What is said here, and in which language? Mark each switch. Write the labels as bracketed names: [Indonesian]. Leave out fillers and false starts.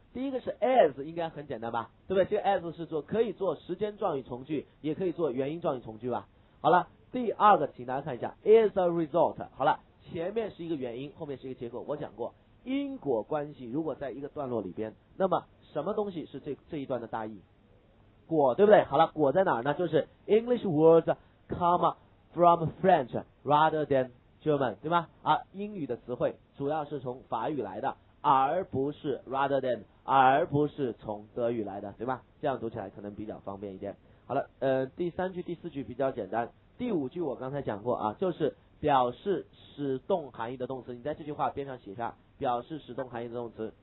[Chinese] 第一个是 as， 应该很简单吧？对不对？这个 as 是做可以做时间状语从句，也可以做原因状语从句吧？好了，第二个，请大家看一下 ，as a result。好了，前面是一个原因，后面是一个结果。我讲过，因果关系如果在一个段落里边，那么什么东西是这一段的大意？果，对不对？好了，果在哪儿呢？ [English] 就是 English words come from French rather than German，对吗？ [Chinese] 啊，英语的词汇主要是从法语来的，而不是 rather than， 而不是从德语来的，对吧？这样读起来可能比较方便一点。好了，第三句、第四句比较简单，第五句我刚才讲过啊，就是表示使动含义的动词，你在这句话边上写下表示使动含义的动词。